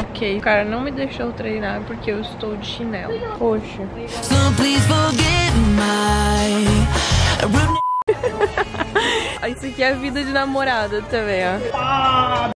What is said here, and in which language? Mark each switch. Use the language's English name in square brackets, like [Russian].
[Portuguese] Ok, o cara não me deixou treinar porque eu estou de chinelo. Poxa. [English] So please forgive my rudeness. [Portuguese] Isso aqui é a vida de namorada também, ó.